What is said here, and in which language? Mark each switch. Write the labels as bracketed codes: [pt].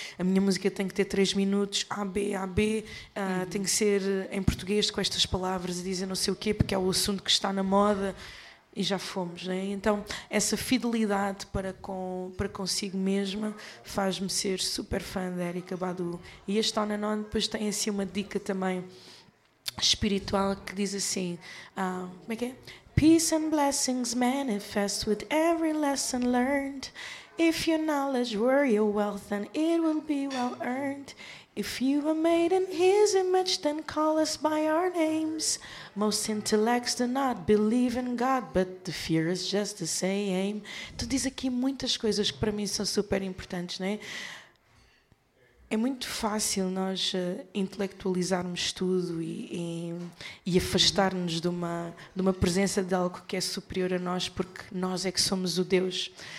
[pt] A minha música tem que ter 3 minutos, A, B, tem que ser em português com estas palavras e dizer não sei o quê, porque é o assunto que está na moda, e já fomos, né? Então, essa fidelidade para consigo mesma faz-me ser super fã de Erika Badu. E este On and On depois tem assim uma dica também espiritual que diz assim, como é que é? [en] Peace and blessings manifest with every lesson learned. If your knowledge were your wealth, then it will be well earned. If you were made in his image, then call us by our names. Most intellects do not believe in God, but the fear is just the same. [pt] Tu diz aqui muitas coisas que para mim são super importantes, não é? É muito fácil nós intelectualizarmos tudo e afastar-nos de uma presença de algo que é superior a nós, porque nós é que somos o Deus.